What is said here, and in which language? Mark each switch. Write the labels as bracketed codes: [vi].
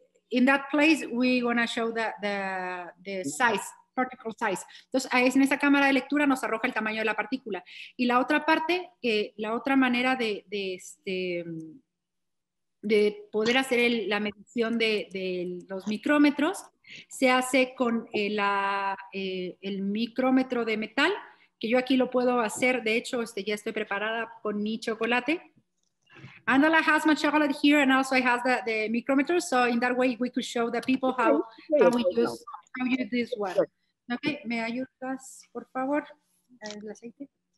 [en] In that place, we gonna show the size, particle size. [es] Entonces, en esa cámara de lectura nos arroja el tamaño de la partícula. Y la otra parte, la otra manera de poder hacer la medición de los micrómetros, se hace con el micrómetro de metal, que yo aquí lo puedo hacer. De hecho, ya estoy preparada con mi chocolate. [en] Andala has my chocolate here, and also I have the micrometer, so in that way we could show the people how we use this one. [es] Okay, me ayudas, por favor, el aceite.